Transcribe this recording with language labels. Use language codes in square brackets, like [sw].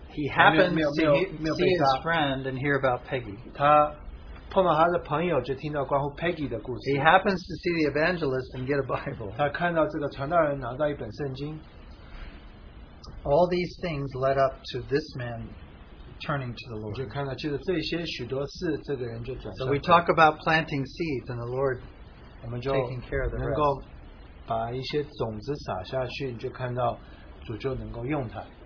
[en] He happens to see his friend and hear about Peggy. [zh] 他碰到他的朋友就听到关乎 Peggy 的故事。 [en] He happens to see the evangelist and get a Bible. [zh] 他看到这个传道人拿到一本圣经。 [en] All these things led up to this man turning to the Lord. So we talk about planting seeds and the Lord taking care of the rest.